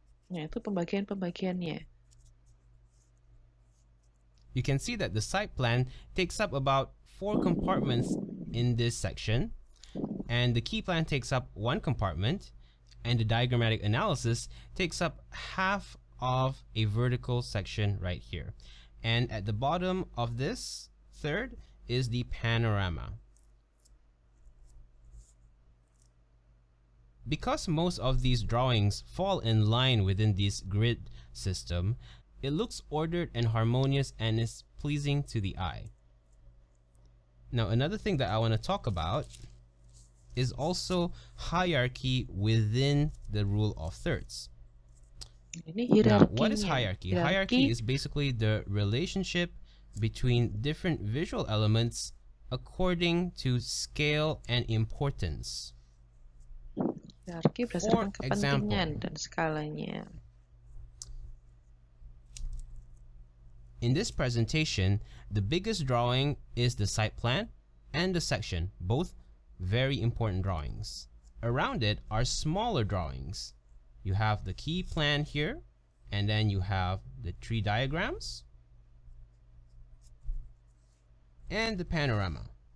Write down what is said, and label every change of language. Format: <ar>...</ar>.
<id>Itu pembagian-pembagiannya.</id> <en>You can see that the site plan takes up about 4 compartments in this section, and the key plan takes up 1 compartment, and the diagrammatic analysis takes up half of a vertical section right here. And at the bottom of this third is the panorama. Because most of these drawings fall in line within this grid system, it looks ordered and harmonious and is pleasing to the eye. Now, another thing that I want to talk about is also hierarchy within the rule of thirds.</en> <id>Ini hierarkinya.</id> <en>Now, what is hierarchy? Hierarchy is basically the relationship between different visual elements according to scale and importance.</en> <id>Hierarki berdasarkan kepentingan dan skalanya.</id> <en>In this presentation, the biggest drawing is the site plan and the section, both very important drawings. Around it are smaller drawings. You have the key plan here, and then you have the tree diagrams and the panorama.</en>